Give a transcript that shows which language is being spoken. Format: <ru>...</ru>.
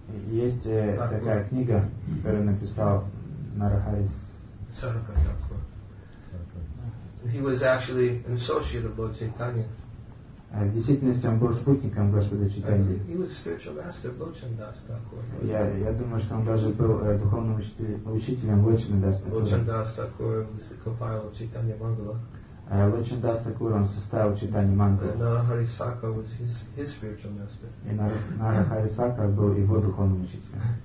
<ru>Есть такая книга, которую написал Нарахари Сарака.</ru> <en>He was actually an associate of Lord Chaitanya.</en> <ru>В действительности он был спутником Господа Чайтаньи.</ru> <en>He was spiritual master Lochandas Thakur.</en> <ru>Я думаю, что он даже был духовным учителем Lochandas Thakur.</ru> <en>Lochandas Thakur was the compiler of Chaitanya Mangala.</en> <ru>Lochandas Thakur он составил Чайтанья Мангалу.</ru> <en>Narahari Saraka was his spiritual master.</en> <ru>И Narahari Saraka был его духовным учителем.</ru>